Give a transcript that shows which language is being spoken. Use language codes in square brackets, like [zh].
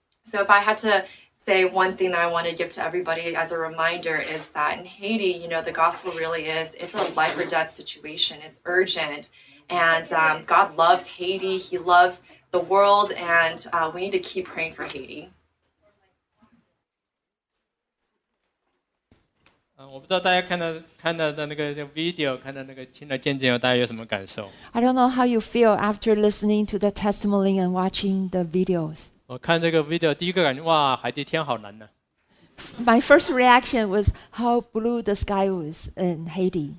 [en] So if I had to say one thing that I want to give to everybody as a reminder is that in Haiti, you know, the gospel really is, it's a life or death situation. It's urgent. And God loves Haiti. He loves the world. And we need to keep praying for Haiti. [zh] 我不知道大家看到的那个video，看到那个听了见证，大家有什么感受？ [en] I don't know how you feel after listening to the testimony and watching the videos. [zh] 我看这个video，第一个感觉哇，海地天好蓝呢。 [en] My first reaction was how blue the sky was in Haiti.